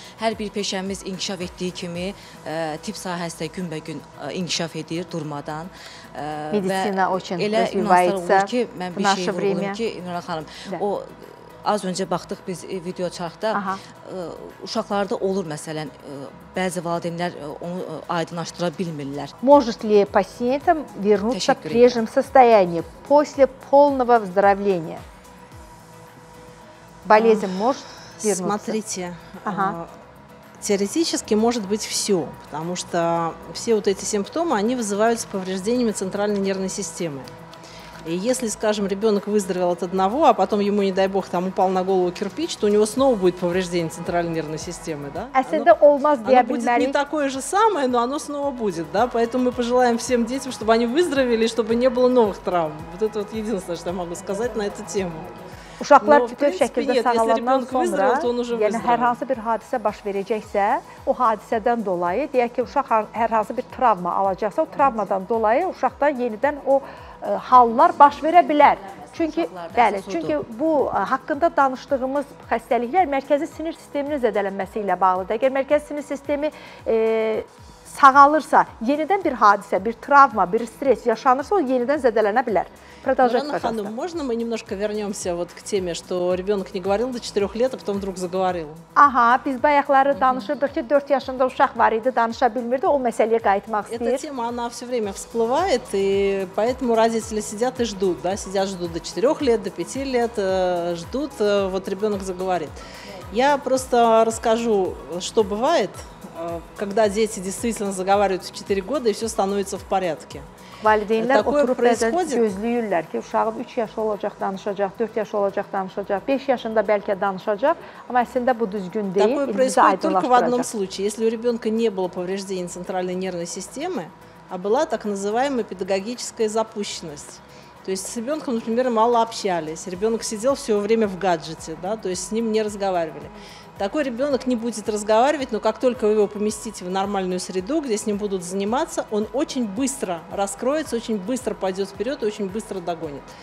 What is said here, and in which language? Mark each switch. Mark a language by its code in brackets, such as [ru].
[az] Hər bir peşəmiz inkişaf etdiyi kimi tibb sahəsi də günbəgün inkişaf edir durmadan. Medisina üçün elə münasibət olur ki, mən bir şey vurğulayım ki, İnora xanım, o az öncə baxdıq biz video çarxda, uşaqlarda olur məsələn, bəzi valideynlər onu aydınlaşdıra bilmirlər. [ru] Может ли пациентам вернуться к прежнему состоянию после полного выздоровления? Болезнь может вернуться? Смотрите, теоретически может быть все, потому что все вот эти симптомы, они вызываются повреждениями центральной нервной системы. И если, скажем, ребенок выздоровел от одного, а потом ему, не дай бог, там упал на голову кирпич, то у него снова будет повреждение центральной нервной системы, да? Оно будет не такое же самое, но оно снова будет, да? Поэтому мы пожелаем всем детям, чтобы они выздоровели, чтобы не было новых травм. Вот это вот единственное, что я могу сказать на эту тему. [az] Uşaqlar bütün şəkildə sağalandan sonra, yəni hər hansı bir hadisə baş verəcəksə, o hadisədən dolayı, deyək ki, uşaq hər hansı bir travma alacaqsa, o travmadan dolayı uşaqda yenidən o hallar baş verə bilər. Çünki bu haqqında danışdığımız xəstəliklər mərkəzi sinir sisteminin zədələnməsi ilə bağlıdır. Əgər mərkəzi sinir sistemi sağalırsa, yenidən bir hadisə, bir travma, bir stres yaşanırsa, o yenidən zədələnə bilər. [ru] Нурана Ханум, можно мы немножко вернемся вот к теме, что ребенок не говорил до 4 лет, а потом вдруг заговорил? Ага, без баяхлары данышы, бірте 4 яшында ушах бар иди, данышы білмирді, о мәселе қайтмақ стир. Эта тема, она все время всплывает, и поэтому родители сидят и ждут, да, сидят, ждут до 4 лет, до 5 лет, ждут, вот ребенок заговорит. Я просто расскажу, что бывает, когда дети действительно заговаривают в 4 года, и все становится в порядке. [az] Valideynlər oturub bəzən gözləyirlər ki, uşağım 3 yaşı olacaq, danışacaq, 4 yaşı olacaq, danışacaq, 5 yaşında bəlkə danışacaq, amma əslində bu düzgün deyil, bizi aydınlaşdıracaq. [ru] Такое происходит только в одном случае. Если у ребенка не было повреждений центральной нервной системы, а была так называемая педагогическая запущенность. То есть с ребенком, например, мало общались, ребенок сидел все время в гаджете, да, то есть с ним не разговаривали. Такой ребенок не будет разговаривать, но как только вы его поместите в нормальную среду, где с ним будут заниматься, он очень быстро раскроется, очень быстро пойдет вперед и очень быстро догонит.